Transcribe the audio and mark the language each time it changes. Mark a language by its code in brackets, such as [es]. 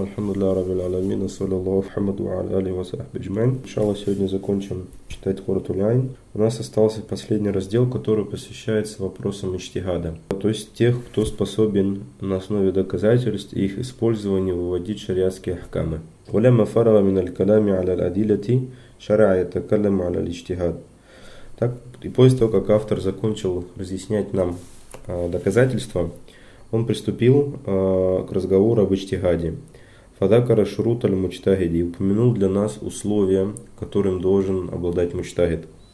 [ar] الحمد لله رب العالمين، وصلى الله محمد وعلى آله وصحبه أجمعين. إن شاء الله [ru] сегодня закончим читать قرة العين. У нас остался последний раздел, который посвящается вопросам иджтихада, то есть тех, кто способен на основе доказательств и их использования выводить шариатские ахкамы. [ar] ولما فرغ من الكلام على الأدلة شرع يتكلم على الاجتهاد. [ru] Так, и после того, как автор закончил разъяснять нам доказательства, он приступил к разговору об иджтихаде. [ar] Фадакара шурут аль-мучтахиди, [ru] упомянул для нас условия, которым должен обладать мучтахид.